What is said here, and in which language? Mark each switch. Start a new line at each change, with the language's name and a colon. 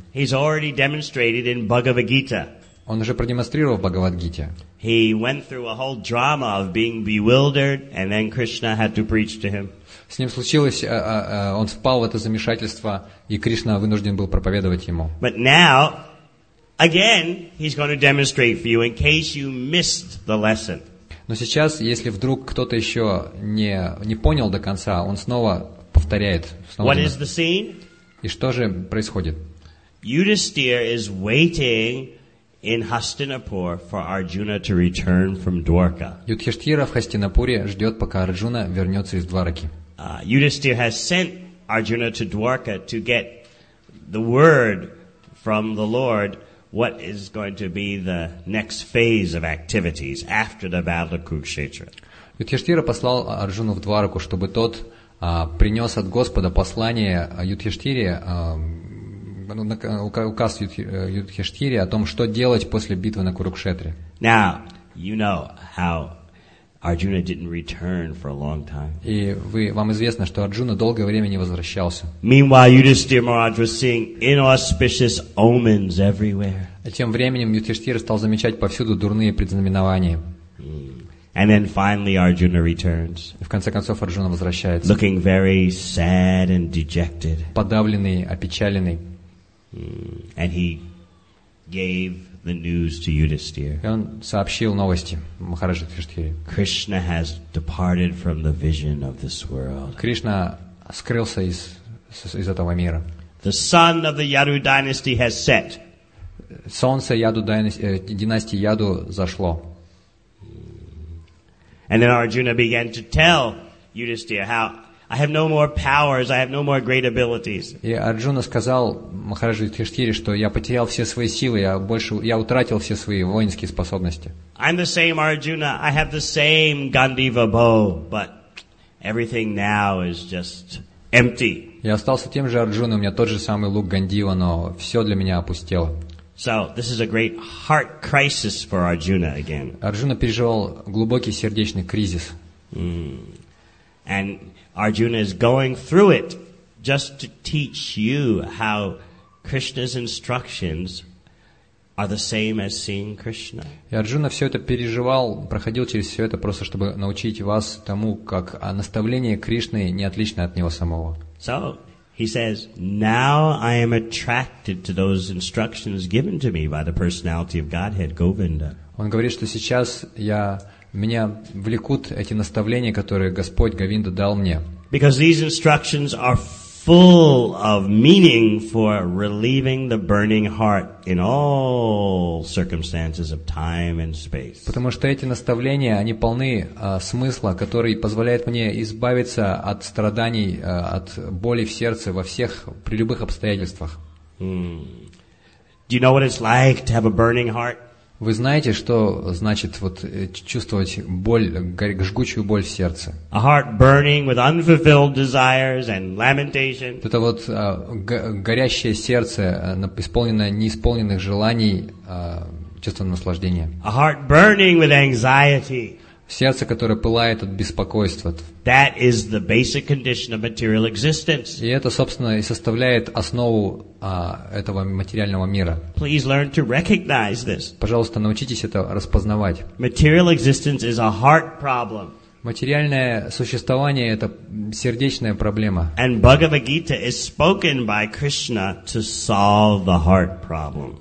English: He's already demonstrated in Bhagavad Gita.
Russian: Он уже продемонстрировал в Бхагавад-гите.
English: He went through a whole drama of being bewildered, and then Krishna had to preach to him.
Russian: С ним случилось, он впал в это замешательство, и Кришна вынужден был проповедовать ему.
English: But now, again, he's going to demonstrate for you in case you missed the lesson.
Russian: Но сейчас, если вдруг кто-то еще не понял до конца, он снова повторяет. Снова
English: What is the scene?
Russian: И что же происходит?
English: Yudhisthira is waiting in Hastinapur for Arjuna to return from Dwarka.
Russian: Yudhisthira в Хастинапуре ждет, пока Арджуна вернется из Двараки.
English: Yudhisthira has sent Arjuna to Dwarka to get the word from the Lord what is going to be the next phase of activities after the battle of Kurukshetra.
Russian: Yudhisthira послал Арджуну в Двараку, чтобы тот принес от Господа послание Yudhisthire, указ Yudhisthire о том, что делать после битвы на Курукшетре.
English: Now, you know how Arjuna didn't return for a long time.
Russian: И вам известно, что Арджуна долгое время не возвращался.
English: Meanwhile, Yudhisthira Maharaj was seeing inauspicious omens everywhere.
Russian: А тем временем Юдхиштхира стал замечать повсюду дурные предзнаменования.
English: And then finally Arjuna returns.
Russian: И в конце концов Арджуна возвращается.
English: Looking very sad and dejected.
Russian: Подавленный, опечаленный.
English: And he gave the news to Yudhisthira.
Russian: Он сообщил новости Махараджу Юдхиштхире.
English: Krishna has departed from the vision of this world.
Russian: Кришна скрылся из этого мира.
English: The sun of the Yadu dynasty has set.
Russian: Солнце Яду династии Яду зашло.
English: And then Arjuna began to tell Yudhisthira how I have no more powers, I have no more great abilities.
Russian: И Арджуна сказал Махараджу Юдхиштхире, что я потерял все свои силы, я утратил все свои воинские способности.
English: I'm the same Arjuna, I have the same Gandiva bow, but everything now is just empty.
Russian: Я остался тем же Арджуной, у меня тот же самый лук Гандива, но все для меня опустело.
English: So, this is a great heart crisis for Arjuna again.
Russian: Арджуна переживал глубокий сердечный кризис.
English: And Arjuna is going through it just to teach you how Krishna's instructions are the same as seeing Krishna.
Russian: И Арджуна все это переживал, проходил через все это просто, чтобы научить вас тому, как наставление Кришны не отлично от него самого.
English: So he says, "Now I am attracted to those instructions given to me by the personality of Godhead, Govinda."
Russian: Он говорит, что сейчас я меня влекут эти наставления, которые Господь Говинда дал мне.
English: Because these instructions are full of meaning for relieving the burning heart in all circumstances of time and space.
Russian: Потому что эти наставления, они полны смысла, который позволяет мне избавиться от страданий, от боли в сердце во всех, при любых обстоятельствах.
English: Do you know what it's like to have a burning heart?
Russian: Вы знаете, что значит вот чувствовать боль, жгучую боль в сердце?
English: A heart burning with unfulfilled desires and lamentation.
Russian: Это вот горящее сердце, исполненное неисполненных желаний, чувство наслаждения.
English: A heart burning with anxiety.
Russian: Сердце, которое пылает от беспокойства.
English: That is the basic condition of material existence.
Russian: И это, собственно, и составляет основу этого материального мира.
English: Please learn to recognize this.
Russian: Пожалуйста, научитесь это распознавать.
English: Material existence is a heart problem.
Russian: Материальное существование – это сердечная проблема.
English: And Bhagavad Gita is spoken by Krishna to solve the heart problem.